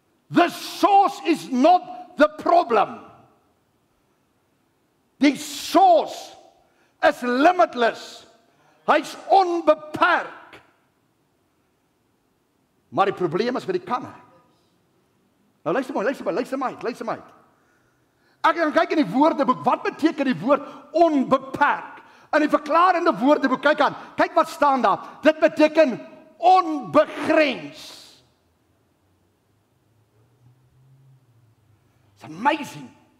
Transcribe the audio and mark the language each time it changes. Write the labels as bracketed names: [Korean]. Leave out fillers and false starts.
[English] The source is not the problem. [Afrikaans] Die source is limitless. Hy is onbeperk. Maar die probleem is met die kanne. Nou luister mooi, luister mooi. Ek gaan kyk in die woordeboek, wat beteken die woord onbeperk? In die verklarende woordeboek, kyk aan, kyk wat staan daar. Dit beteken onbegrens. [English] It's amazing.